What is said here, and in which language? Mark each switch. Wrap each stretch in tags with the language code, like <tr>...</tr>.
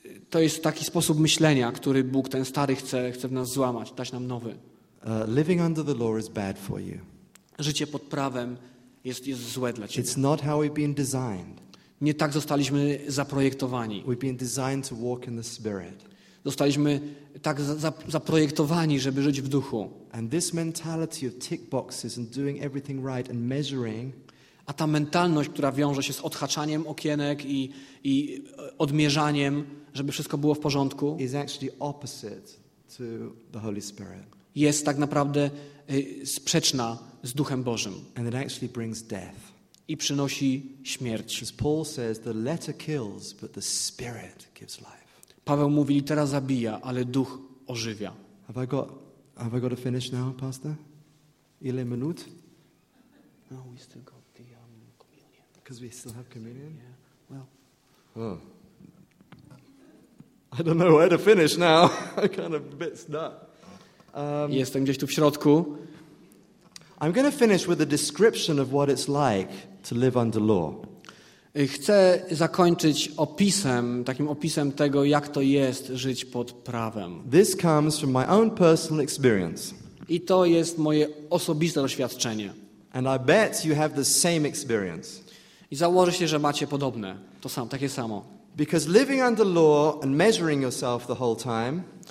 <pl>To jest taki sposób myślenia, który Bóg, ten stary, chce w nas złamać, dać nam nowy.</pl> <en>Living under the law is bad for you.</en> <pl>Życie pod prawem jest złe dla ciebie.</pl> <en>It's not how we've been designed.</en> <pl>Nie tak zostaliśmy zaprojektowani.</pl> <en>We've been designed to walk in the Spirit.</en> <pl>Zostaliśmy tak zaprojektowani, żeby żyć w duchu.</pl> <en>And this mentality of tick boxes and doing everything right and measuring.</en> <pl>A ta mentalność, która wiąże się z odhaczaniem okienek i odmierzaniem, żeby wszystko było w porządku,</pl> <en>is actually opposite to the Holy Spirit.</en> <pl>Jest tak naprawdę sprzeczna z Duchem Bożym.</pl> <en>And it actually brings death.</en> <pl>I przynosi śmierć.</pl> <en>As Paul says, the letter kills, but the Spirit gives life.</en> <pl>Paweł mówi, litera zabija, ale duch ożywia.</pl> <en>Have I got to finish now, Pastor?</en> <pl>Ile minut?</pl> <en>No, we still got the communion. Because we still have communion? Yeah, well. Oh. I don't know where to finish now. I'm kind of a bit stuck.</en> <pl>Jestem gdzieś tu w środku.</pl> <en>I'm going to finish with a description of what it's like to live under law.</en> <pl>Chcę zakończyć opisem, takim opisem tego, jak to jest żyć pod prawem.</pl> <en>This comes from my own personal experience.</en> <pl>I to jest moje osobiste doświadczenie.</pl> <en>And I bet you have the same experience.</en> <pl>I założę się, że macie podobne, to samo, takie samo.</pl> <en>Because living under law and measuring yourself the whole time.</en>